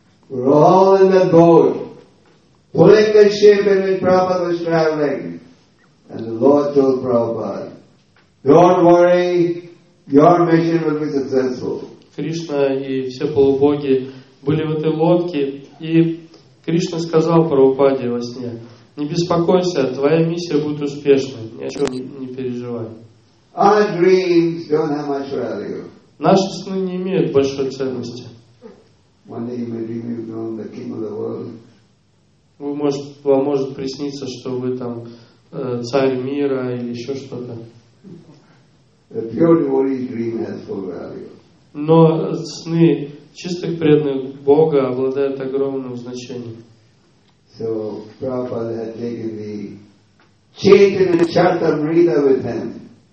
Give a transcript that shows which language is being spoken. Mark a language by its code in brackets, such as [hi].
[en] We're all in that boat, pulling the ship in which Prabhupada was traveling. And the Lord told Prabhupada, don't worry, your mission will be successful. [ru] Кришна и все полубоги были в этой лодке, и Кришна сказал Прабхупаде во сне: не беспокойся, твоя миссия будет успешной, ни о чем не переживай. [en] Our dreams don't have much value. [ru] Наши сны не имеют большой ценности. [en] One day you may dream you've known the king of the world. [ru] Вам может присниться, что вы там царь мира или еще что-то. [en] The pure devotee's dream has full value. [ru] Но сны чистых преданных Бога обладают огромным значением. [en] So Prabhupada had taken the Chaitanya Charitamrita with him.